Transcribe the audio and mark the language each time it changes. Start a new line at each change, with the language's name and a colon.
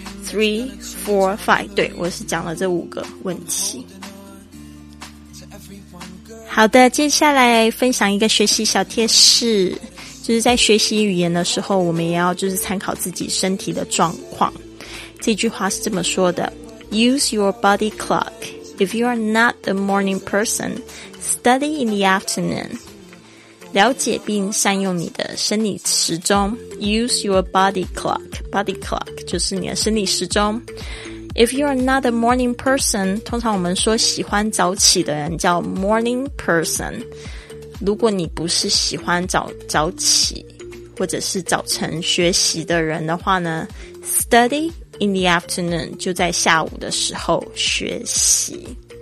Chinese: 1, 2, 3, 4, 5， 对，我是讲了这五个问题。好的，接下来分享一个学习小贴士，就是在学习语言的时候，我们也要就是参考自己身体的状况。这句话是这么说的，
English: Use your body clock. If you are not a morning person, study in the afternoon.
Chinese: 了解并善用你的生理时钟，
English: Use your body clock.
Chinese: Body clock 就是你的生理时钟。
English: If you are not a morning person，
Chinese: 通常我们说喜欢早起的人叫 morning person。如果你不是喜欢早起或者是早晨学习的人的话呢，
English: study in the afternoon，
Chinese: 就在下午的时候学习。